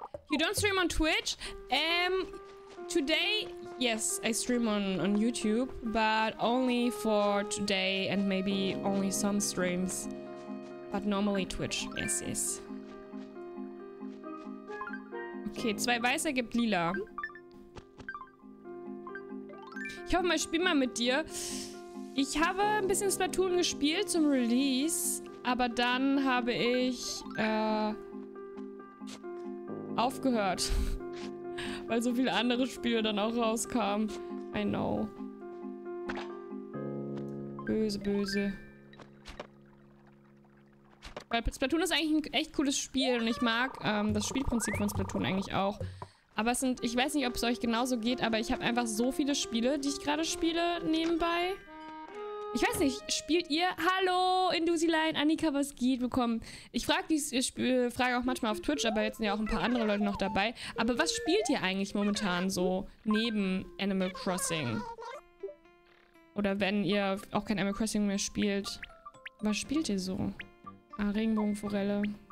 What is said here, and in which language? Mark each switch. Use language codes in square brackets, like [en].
[en] You don't stream on Twitch? Today, yes, I stream on YouTube, but only for today and maybe only some streams. But normally Twitch, yes, yes. [de] Okay, zwei Weiße gibt Lila. Ich hoffe mal, ich spiele mal mit dir. Ich habe ein bisschen Splatoon gespielt zum Release. Aber dann habe ich aufgehört, weil so viele andere Spiele dann auch rauskamen. [en] I know. [de] Böse, böse. Weil Splatoon ist eigentlich ein echt cooles Spiel und ich mag das Spielprinzip von Splatoon eigentlich auch. Aber es sind, ich weiß nicht, ob es euch genauso geht, aber ich habe einfach so viele Spiele, die ich gerade spiele nebenbei. Ich weiß nicht, spielt ihr? Hallo, Induzilein, Annika, was geht? Willkommen. Ich frage die Frage auch manchmal auf Twitch, aber jetzt sind ja auch ein paar andere Leute noch dabei. Aber was spielt ihr eigentlich momentan so neben Animal Crossing? Oder wenn ihr auch kein Animal Crossing mehr spielt, was spielt ihr so? Ah, Regenbogenforelle.